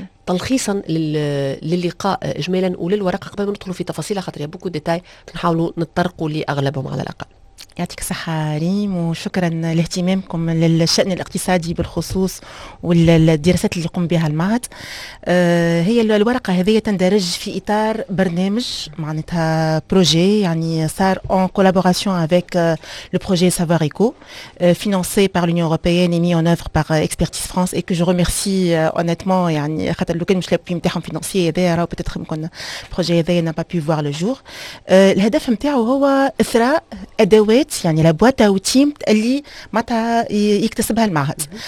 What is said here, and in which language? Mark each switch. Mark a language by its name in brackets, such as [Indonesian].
[Arabic] تلخيصا للقاء إجمالا وللورقة قبل ما ندخلوا في تفاصيلها خاطر بوكو ديتاي نحاولوا نتطرقوا لأغلبهم على الأقل. يعطيك صحة ريم وشكرا لاهتمامكم للشأن الاقتصادي بالخصوص والدراسات اللي قم بها المعهد. هي الورقة هذه تندرج في إطار برنامج معناتها بروجي يعني صار [French] en collaboration avec le projet Savoir Eco financé par l'Union Européenne et mis en œuvre par Expertise France et que je remercie honnêtement [Arabic] يعني خاطر لو كان مش لابي متاحهم فينانسيي هذايا راه [French] peut-être [Arabic] يمكن بروجي هذايا [French] n'a pas pu voir le jour. [Arabic] الهدف نتاعو هو إثراء أدوات يعني لا بواتا وتيم اللي متى يكتسبها المعهد.